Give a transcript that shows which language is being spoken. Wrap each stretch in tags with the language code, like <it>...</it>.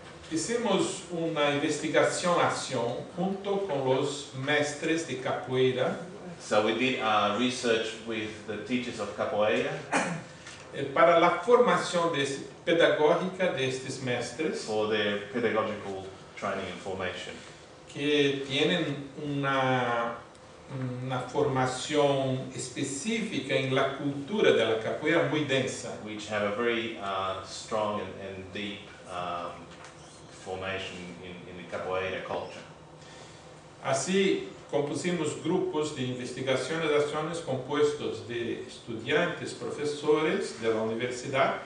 <es>Hicimos una investigación-acción junto con los mestres de capoeira.</es> <en>So we did research with the teachers of capoeira.</en> <es>Para la formación pedagógica de estos mestres.</es> <en>For their pedagogical training and formation.</en> <es>Que tienen una formación específica en la cultura de la capoeira muy densa.</es> <en>Which have a very strong and deep formation in the capoeira culture.</en> <es>Así, compusimos grupos de investigaciones, acciones compuestos de estudiantes, profesores de la universidad.</es>